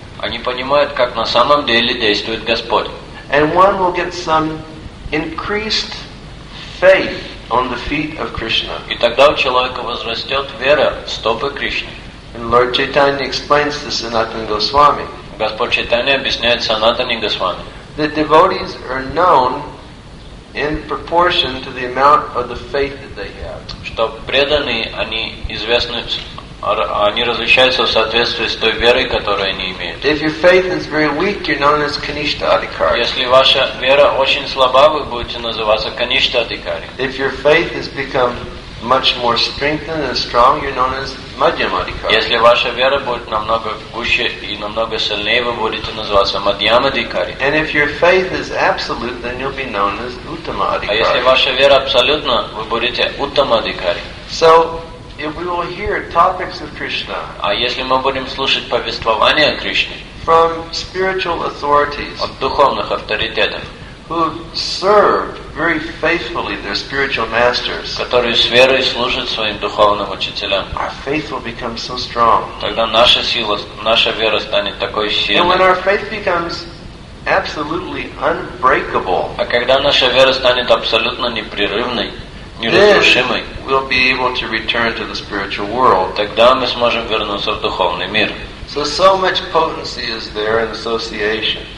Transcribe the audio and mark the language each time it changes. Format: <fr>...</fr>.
<ru>Они понимают, как на самом деле действует Господь.</ru> <en>And one will get some increased faith on the feet of Krishna.</en> <ru>И тогда у человека возрастет вера в стопы Кришны.</ru> <en>And Lord Chaitanya explains this to Sanatana Goswami.</en> <ru>Господь Чайтанья объясняет Санатане Госвами.</ru> <en>The devotees are known in proportion to the amount of the faith that they have.</en> <ru>Что преданные, они известны, они различаются в соответствии с той верой, которую они имеют.</ru> <en>If your faith is very weak, you're known as Kanishta Adhikari.</en> <ru>Если ваша вера очень слаба, вы будете называться Kanishta Adhikari.</ru> <en>If your faith has become much more strengthened and strong, you're known as Madhyama Adhikari.</en> <ru>Если ваша вера будет намного гуще и намного сильнее, вы будете называться Madhyama Adhikari.</ru> <en>And if your faith is absolute, then you'll be known as Uttama Adhikari.</en> <ru>А если ваша вера абсолютна, вы будете Uttama Adhikari.</ru> <en>So if we will hear topics of Krishna,</en> <ru>а если мы будем слушать повествования о Кришне,</ru> <en>from spiritual authorities,</en> <ru>от духовных авторитетов,</ru> <en>who serve very faithfully their spiritual masters,</en> <ru>которые с верой служат своим духовным учителям,</ru> <en>our faith will become so strong.</en> <ru>Тогда наша сила, наша вера станет такой сильной.</ru> <en>And when our faith becomes absolutely unbreakable,</en> <ru>а когда наша вера станет абсолютно непрерывной,</ru> <en>then we'll be able to return to the spiritual world.</en> <ru>Тогда мы сможем вернуться в духовный мир.</ru> <en>So much potency is there in association.</en>